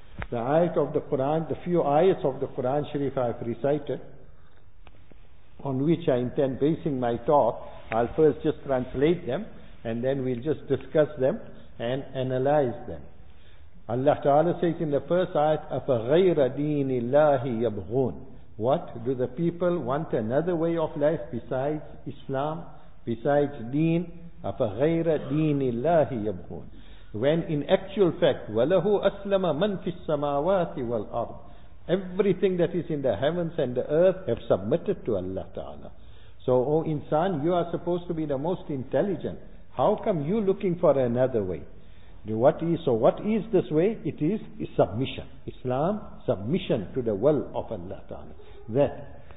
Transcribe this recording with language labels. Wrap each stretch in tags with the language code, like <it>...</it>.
<en>The ayat of the Quran, the few ayats of the Quran Sharif I've recited, on which I intend basing my talk, I'll first just translate them and then we'll just discuss them and analyze them. Allah Ta'ala says in the first ayat,</en> <ar>أَفَغَيْرَ دِينِ اللَّهِ يَبْغُونَ.</ar> <en>What? Do the people want another way of life besides Islam, besides deen?</en> <ar>أَفَغَيْرَ دِينِ اللَّهِ يَبْغُونَ.</ar> <en>When in actual fact,</en> <ar>وَلَهُ أَسْلَمَ مَنْ فِي السَّمَاوَاتِ وَالْأَرْضِ.</ar> <en>Everything that is in the heavens and the earth have submitted to Allah Ta'ala. So, O insan, you are supposed to be the most intelligent. How come you looking for another way? What is this way? It is submission. Islam, submission to the will of Allah Ta'ala. That.</en>